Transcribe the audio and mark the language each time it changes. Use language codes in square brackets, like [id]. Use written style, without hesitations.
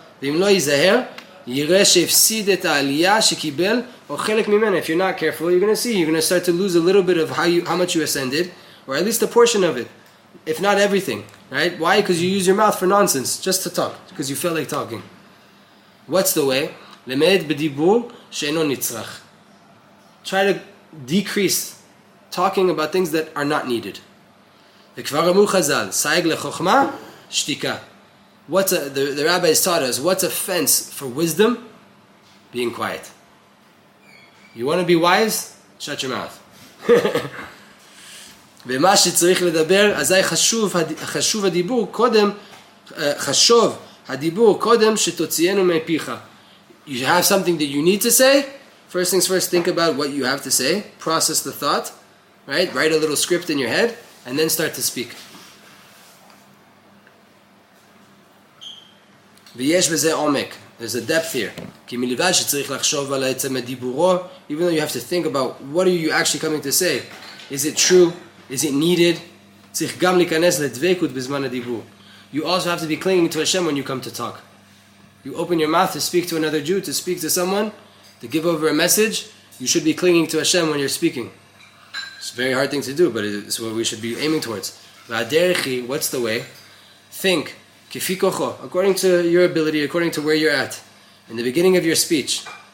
[he] ואם לא ייזהר, יראה שהפסיד את העלייה שקיבל, או חלק ממנה. [en] If you're not careful, you're going to see, you're going to start to lose a little bit of how much you ascended, or at least a portion of it, if not everything. Right? Why? Because you use your mouth for nonsense, just to talk, because you feel like talking. What's the way? [he] למד בדיבור שאינו נצרח. [en] Try to decrease talking about things that are not needed. [he] וכבר אמרו חז"ל, סייג לחוכמה, שתיקה. [en] The rabbi has taught us, what's a fence for wisdom? Being quiet. You want to be wise? Shut your mouth. [he] ומה שצריך לדבר, אזי חשוב הדיבור קודם, חשוב הדיבור קודם שתוציאנו מפיך. [en] You have something that you need to say. First things first, think about what you have to say. Process the thought, right? Write a little script in your head, and then start to speak. [he] ויש בזה עומק. [en] There's a depth here. [he] כי מלבד שצריך לחשוב על עצם הדיבורו, [en] even though you have to think about what are you actually coming to say. Is it true? Is it needed? [he] צריך גם להיכנס לדבקות בזמן הדיבור. [en] You also have to be clinging to Hashem when you come to talk. You open your mouth to speak to another Jew, to speak to someone, to give over a message, you should be clinging to Hashem when you're speaking. It's a very hard thing to do, but it's what we should be aiming towards. [he] והדרך היא, [en] what's the way? Think, [he] כפי כוחו, [en] according to your ability, according to where you're at, in the beginning of your speech.